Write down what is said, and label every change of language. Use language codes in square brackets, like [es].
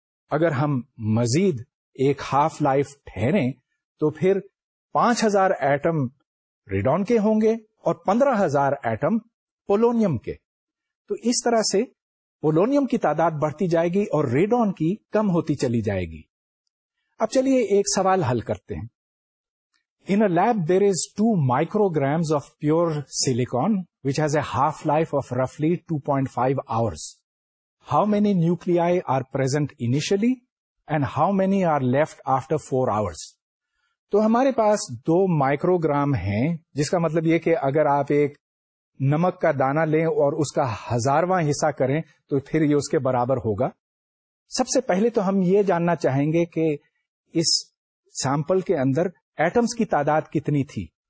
[ur] اگر ہم مزید ایک ہاف لائف ٹھہریں تو پھر 5000 ایٹم ریڈون کے ہوں گے اور 15000 ایٹم پولونیم کے. تو اس طرح سے پولونیم کی تعداد بڑھتی جائے گی اور ریڈون کی کم ہوتی چلی جائے گی. اب چلیے ایک سوال حل کرتے ہیں. [en] In a lab there is 2 micrograms of pure silicon which has a half life of roughly 2.5 hours. How many nuclei are present initially and how many are left after 4 hours? [ur] تو ہمارے پاس 2 microgram ہیں, جس کا مطلب یہ کہ اگر آپ ایک نمک کا دانا لیں اور اس کا ہزارواں حصہ کریں تو پھر یہ اس کے برابر ہوگا. سب سے پہلے تو ہم یہ جاننا چاہیں گے کہ اس سیمپل کے اندر ایٹمز کی تعداد کتنی تھی.